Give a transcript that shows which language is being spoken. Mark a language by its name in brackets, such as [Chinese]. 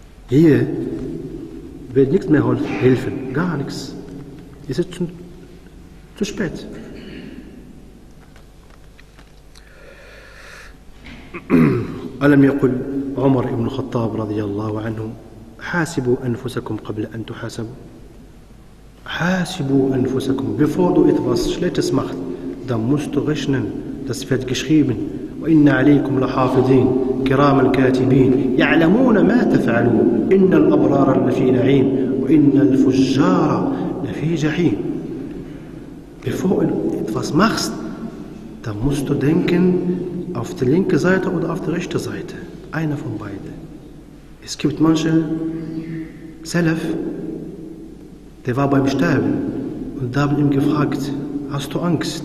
[German] hier wird nichts mehr helfen gar nichts es ist zu spät [Arabic] ألم يقل عمر بن الخطاب رضي الله عنه حاسبوا أنفسكم قبل أن تحاسبوا. حاسبوا أنفسكم. [German] Bevor du etwas Schlechtes machst, dann musst du rechnen. Das wird geschrieben. [Arabic] وإن عليكم لحافظين كرام الكاتبين يعلمون ما تفعلون. إن الأبرار لفي نعيم وإن الفجار لفي جحيم. [German] Bevor du etwas machst, dann musst du denken auf die linke Seite oder auf die rechte Seite. Einer von beiden. Es gibt manche Salaf, der war beim Sterben und da haben ihm gefragt, hast du Angst?